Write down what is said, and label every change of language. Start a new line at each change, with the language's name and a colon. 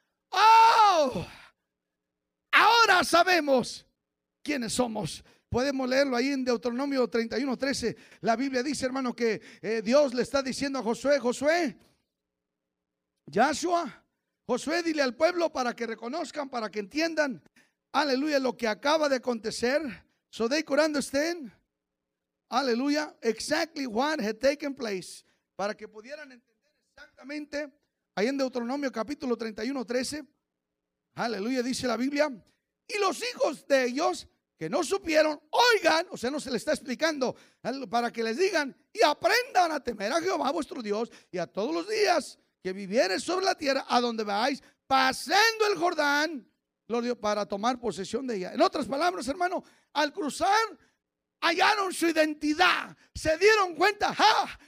Spanish: ¡Oh! Ahora sabemos quiénes somos. Podemos leerlo ahí en Deuteronomio 31, 13. La Biblia dice, hermano, que Dios le está diciendo a Josué: Josué, Yahshua, Josué, dile al pueblo para que reconozcan, para que entiendan, aleluya, lo que acaba de acontecer.
English: So they could understand, aleluya, exactly what had taken place.
Spanish: Para que pudieran entender exactamente, ahí en Deuteronomio capítulo 31, 13. Aleluya, dice la Biblia. Y los hijos de ellos que no supieron, oigan, o sea, no se les está explicando, para que les digan y aprendan a temer a Jehová vuestro Dios y a todos los días que viviere sobre la tierra, a donde vais, pasando el Jordán, para tomar posesión de ella. En otras palabras, hermano, al cruzar, hallaron su identidad, se dieron cuenta, ¡ja!